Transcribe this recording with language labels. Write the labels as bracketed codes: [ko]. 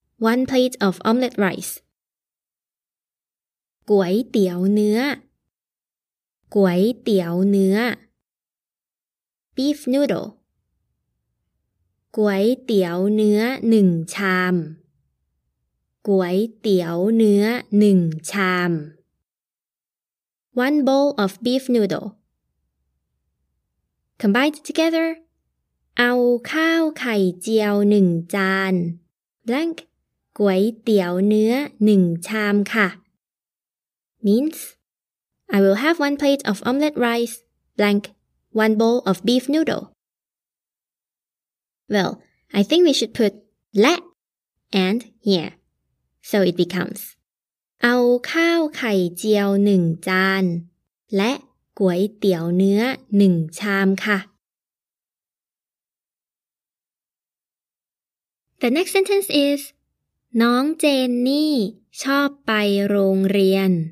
[en] One plate of omelette rice. [th] ก๋วยเตี๋ยวเนื้อก๋วยเตี๋ยวเนื้อ [en] beef noodle. [th] ก๋วยเตี๋ยวเนื้อ1ชามก๋วยเตี๋ยวเนื้อ1ชาม [en] One bowl of beef noodle. Combined together. [th] เอาข้าวไข่เจียว1จาน blankก๋วยเตี๋ยวเนื้อ1ชามค่ะ [en] means I will have one plate of omelette rice blank one bowl of beef noodle Well I think we should put และ and here so it becomes [th] เอาข้าวไข่เจียว1จานและก๋วยเตี๋ยวเนื้อ1ชามค่ะ [en] The next sentence is [th] น้องเจนนี่ชอบไปโรงเรียน